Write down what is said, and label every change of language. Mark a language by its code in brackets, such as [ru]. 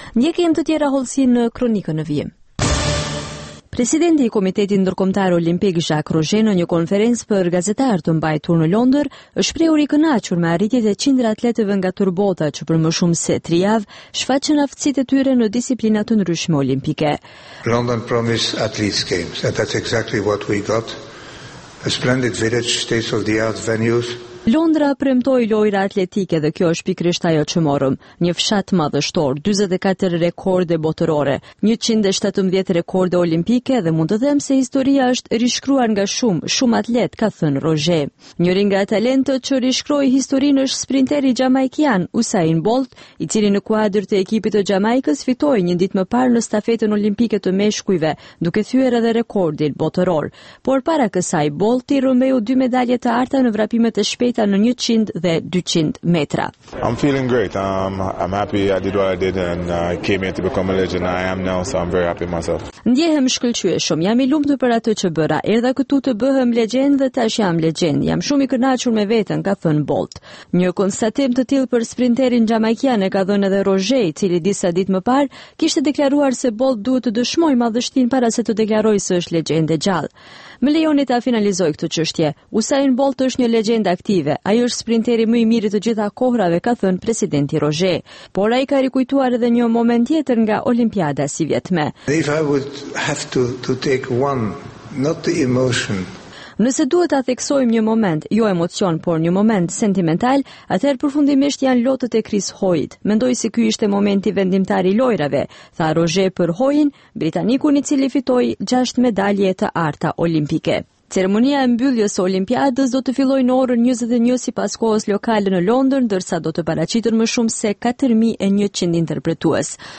[sq] Ndjekim të tjera hollësinë në kronikën e vijim. Presidenti i Komitetit Ndërkombëtar Olimpik Jacques Roger në një konferencë për gazetarë të mbajtur në Londër, është prehur i kënaqur me arritjet e qindra atletëve nga tërbota që për më shumë se 3 javë shfaqën aftësitë e tyre në disiplina të ndryshme olimpike. [en] London promised athletes games, and that's exactly what we got. A splendid village, state-of-the-art venues. [sq] Londra premtoi lojra atletike dhe kjo është pikrisht ajo që morëm. Një fshat madhështor, 44 rekorde botërore, 117 rekorde olimpike dhe mund të them se historia është rishkruar nga shumë atlet, ka thënë Roger. Njëri nga talentët që rishkroi historinë është sprinteri jamaikian Usain Bolt, i cili në kuadër të ekipit të Jamaikës fitoi një ditë më parë në stafetën olimpike të meshkujve, duke thyer edhe rekordin botëror. Por para kësaj Bolt i rrëmbeu dy medalje të arta në vrapimet e beta në 100 dhe 200 metra. [en] I'm feeling great. I'm happy I did what I did and came here to become a legend. I am now, so I'm very happy myself. [sq] Ndjehem shkëlqyeshëm. Jam i lumtur për atë që bëra. Erdha këtu të bëhem legjend dhe tash jam legjend. Jam shumë i kënaqur me veten, ka thënë Bolt. Një konstatim të tillë për sprinterin jamaikian e ka dhënë edhe Roger, i cili disa ditë më parë kishte deklaruar se Bolt duhet të dëshmojë madhështinë para se të deklarojë se është legjend e gjallë. Më lejoni ta finalizoj këtë çështje. Usain Bolt është një legjend aktive. Ai është sprinteri më i mirë të gjitha kohrave, ka thënë presidenti Roger. Por ai ka rikujtuar edhe një moment tjetër nga Olimpiada si vjetme. [en] If I would have to take one, not the emotion. [sq] Nëse duhet ta theksojmë një moment, jo emocion, por një moment sentimental, atëherë përfundimisht janë lotët e Chris Hoyt. Mendoj se ky ishte momenti vendimtar i lojrave, tha Roger për Hoyin, britanikun i cili fitoi 6 medalje të arta olimpike. Ceremonia e mbylljes së Olimpiadës do të fillojë në orën 21 sipas kohës lokale në Londër, ndërsa do të paraqiten më shumë se 4100 interpretues.